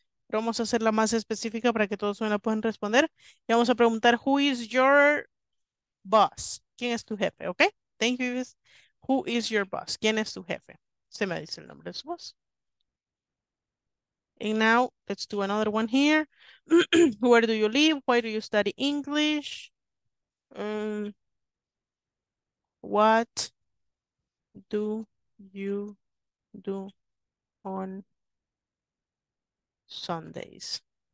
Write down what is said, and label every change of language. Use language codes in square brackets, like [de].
[es] Pero vamos a hacerla más específica para que todos me la puedan responder. Y vamos a preguntar, [en] who is your boss? [es] ¿Quién es tu jefe? Ok. [en] Thank you. Who is your boss? [es] ¿Quién es tu jefe? Se me dice el nombre de su voz. [en] And now, let's do another one here. Where do you live? Why do you study English? What do you do on Sundays.